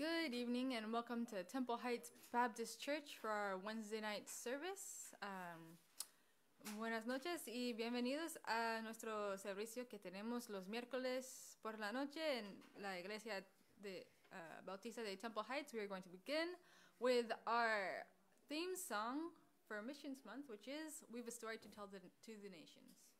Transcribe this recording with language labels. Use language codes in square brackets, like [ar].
[en] evening and welcome to Temple Heights Baptist Church for our Wednesday night service. [es] Buenas noches y bienvenidos a nuestro servicio que tenemos los miércoles por la noche en la iglesia de Bautista de Temple Heights. [en] We are going to begin with our theme song for Missions Month, which is We Have a Story to Tell to the Nations.